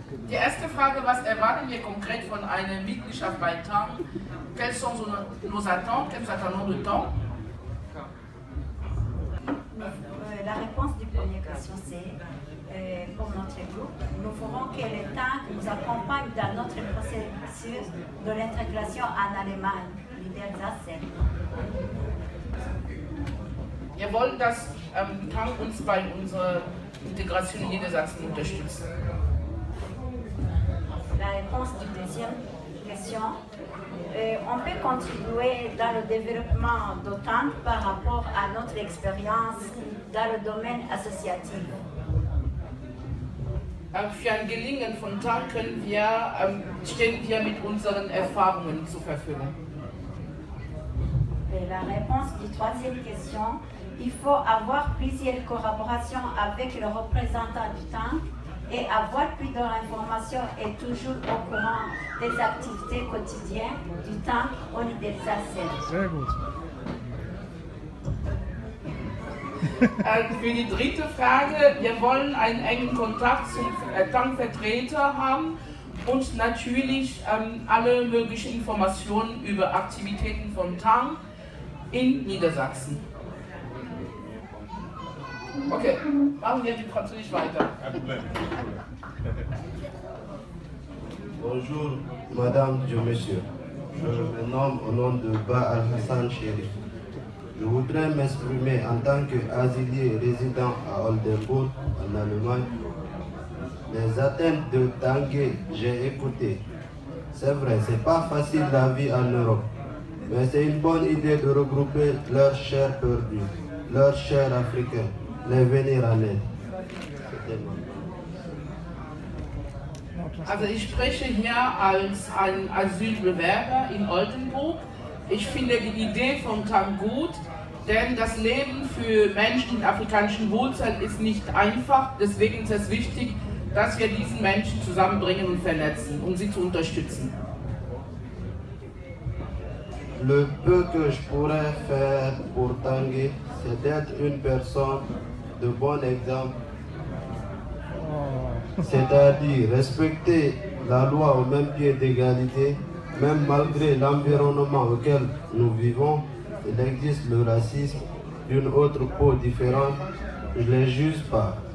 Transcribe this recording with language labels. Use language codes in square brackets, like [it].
[de] Die erste Frage, was erwarten wir konkret von einer Mitgliedschaft bei TAN? [fr] Quelles sont nos attentes? Quels attendons de TAN? La réponse du premier question, c'est pour notre groupe, nous voulons que le TAN nous accompagne dans notre processus de l'intégration en Allemagne. L'idée de ça, c'est. [de] Wir wollen, dass TAN uns bei unserer Integration in Niedersachsen unterstützt. [fr] La réponse du deuxième question. On peut contribuer dans le développement d'OTAN par rapport à notre expérience dans le domaine associatif. [de] Für ein Gelingen von TAN können wir, stehen wir mit unseren Erfahrungen zur Verfügung. [fr] Et la réponse du troisième question. Il faut avoir plusieurs collaborations avec le représentant du TAN et avoir plus d'informations et toujours au courant des activités quotidiennes du TAN au Niedersachsen. [de] Sehr gut. Für die dritte Frage, wir wollen einen engen Kontakt zum TAN-Vertreter haben und natürlich alle möglichen Informationen über Aktivitäten von TAN in Niedersachsen. Okay, machen wir die Französisch weiter. [fr] Bonjour, Madame et Monsieur. Je me nomme au nom de Ba Al-Hassan Chérif. Je voudrais m'exprimer en tant qu'asilier résident à Oldenburg, en Allemagne. Les attentes de Tanguy, j'ai écouté. C'est vrai, c'est pas facile la vie en Europe. Mais c'est une bonne idée de regrouper leurs chers perdus, leurs chers Africains. Les venir à l'aide. [de] Also ich spreche hier als ein Asylbewerber in Oldenburg. Ich finde die Idee von TAN gut, denn das Leben für Menschen in afrikanischen Wurzeln ist nicht einfach. Deswegen ist es wichtig, dass wir diesen Menschen zusammenbringen und vernetzen, um sie zu unterstützen. [fr] Le peu que je pourrais faire pour Tanguy, c'est d'être une personne de bon exemple. C'est-à-dire respecter la loi au même pied d'égalité, même malgré l'environnement auquel nous vivons, il existe le racisme d'une autre peau différente, je ne les juge pas.